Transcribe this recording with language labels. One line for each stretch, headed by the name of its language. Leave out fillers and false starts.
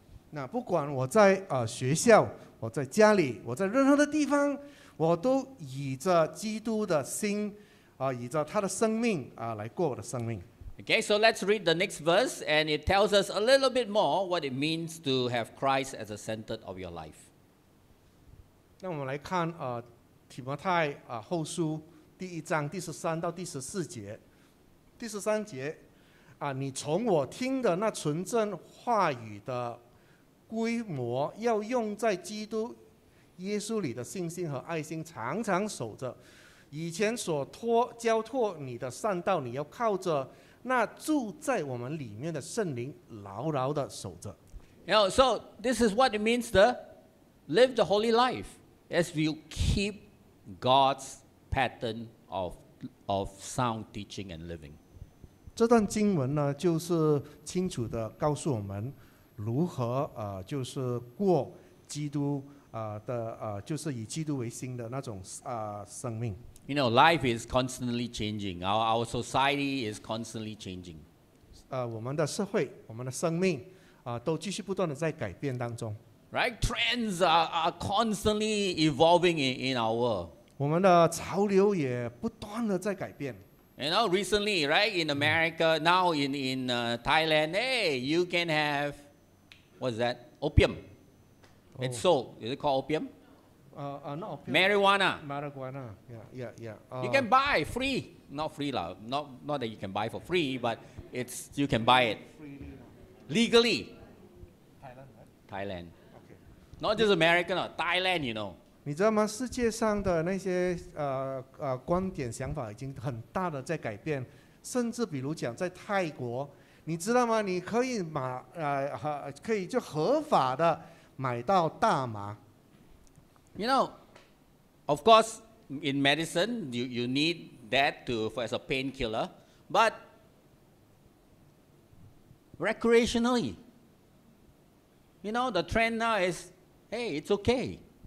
Chinese: 那不管我在学校，我在家里，我在任何的地方，我都以着基督的心以着他的生命来过我的生命。
English: Okay, so let's read the next verse, and it tells us a little bit more what it means to have Christ as the center of your life.
Chinese: 那我们来看提摩太后书第一章第十三到第十四节。第十三节你从我听的那纯正话语的规模，要用在基督耶稣里的信心和爱心，常常守着以前所托交托你的善道，你要靠着。那住在我们里面的圣灵牢牢地守着。
English: You know, so this is what it means to live the holy life as you keep God's pattern of sound teaching and living.
Chinese: 这段经文呢，就是清楚地告诉我们如何就是过基督的就是以基督为心的那种生命。
English: You know, life is constantly changing. Our society is constantly changing.
Chinese: 我们的社会，我们的生命，都继续不断的在改变当中。
English: Right? Trends are constantly evolving in our world.
Chinese: 我们的潮流也不断的在改变。
English: You know, recently, right, in America, now in Thailand, hey, you can have, what's that? Opium. It's sold. Is it called opium? Marijuana. Yeah. You can buy free, not free lah. Not that you can buy for free, but it's you can buy it legally. Thailand. Okay. Not just American, Thailand. You know.
Chinese: 你知道吗？世界上的那些观点想法已经很大的在改变，甚至比如讲在泰国，你知道吗？你可以可以就合法的买到大麻。
English: You know, of course, in medicine, you need that as a painkiller. But recreationally, you know, the trend now is, hey, it's okay.